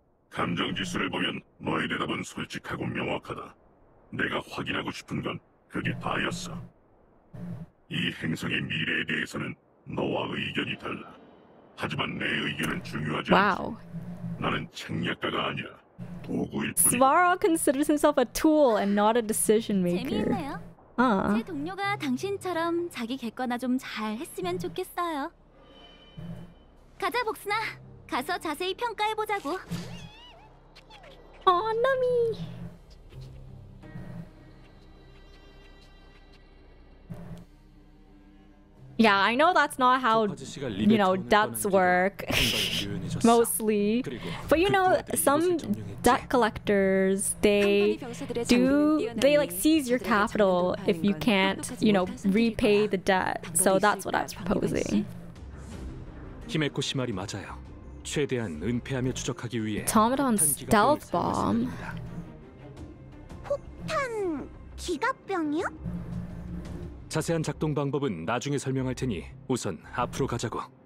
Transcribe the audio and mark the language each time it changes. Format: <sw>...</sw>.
<ko>감정 지수를 보면 너의 대답은 솔직하고 명확하다. 내가 확인하고 싶은 건 그게 다였어. 이 행성의 미래에 대해서는 너와 의견이 달라. 하지만 내 의견은 중요하지 wow. 않아. 나는 책략가가 아니야.</ko> <en>Svara considers himself a tool and not a decision maker.</en> <ko>제 동료가 당신처럼 자기 객관화 좀 잘 했으면 좋겠어요. 가자 복순아, 가서 자세히 평가해 보자고. 어, 나미.</ko> <en>Yeah, I know that's not how, you know, debts work, mostly. But you know, some debt collectors, they like seize your capital if you can't, you know, repay the debt. So that's what I was proposing.</en> <ko>Himeko 씨 말이 맞아요. 최대한 은폐하며 추적하기 위해.</ko> <en>Automaton stealth bomb.</en> <ko>폭탄 기갑병이요? 자세한 작동 방법은 나중에 설명할 테니 우선 앞으로 가자고.</ko>